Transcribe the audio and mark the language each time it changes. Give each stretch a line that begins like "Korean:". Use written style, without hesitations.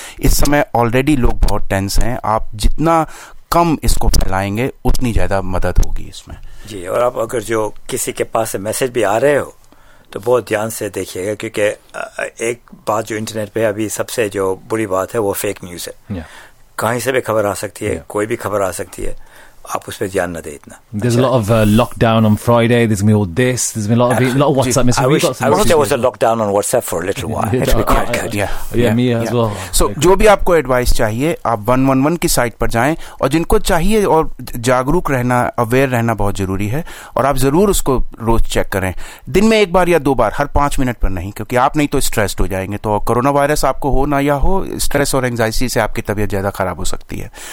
Hindi: इस समय ऑलरेडी लोग बहुत टेंस हैं. आप जितना कम इसको फैलाएंगे उतनी ज़्यादा मदद होगी इसमें जी. और आप अगर जो किसी के पास से मैसेज भी आ रहे हो तो बहुत ध्यान से देखिएगा, क्योंकि एक बात जो इंटरनेट पे अभी सबसे जो बुरी बात है वो फेक न्यूज़ है. कहीं से भी खबर आ सकती है, कोई भी खबर आ सकती है. आप उस पर ध्यान न दे इतना.
English: There's a lot of lockdown on Friday. There's been all this. There's been a lot of WhatsApp messages. I wish there was a lockdown on WhatsApp for a little while. It'd be quite good. Yeah, me as well.
Hindi: So, जो भी आपको advice चाहिए, आप 111 की site पर जाएं, और जिनको चाहिए, और जागरूक रहना, अवेयर रहना बहुत जरूरी है, और आप जरूर उसको रोज चेक करें, दिन में एक बार या दो बार, हर 5 मिनट पर नहीं, क्योंकि आप नहीं तो स्ट्रेस्ड हो जाएंगे. तो कोरोना वायरस आपको हो ना या हो, स्ट्रेस और एंग्जाइटी से आपकी तबीयत ज्यादा खराब हो सकती है.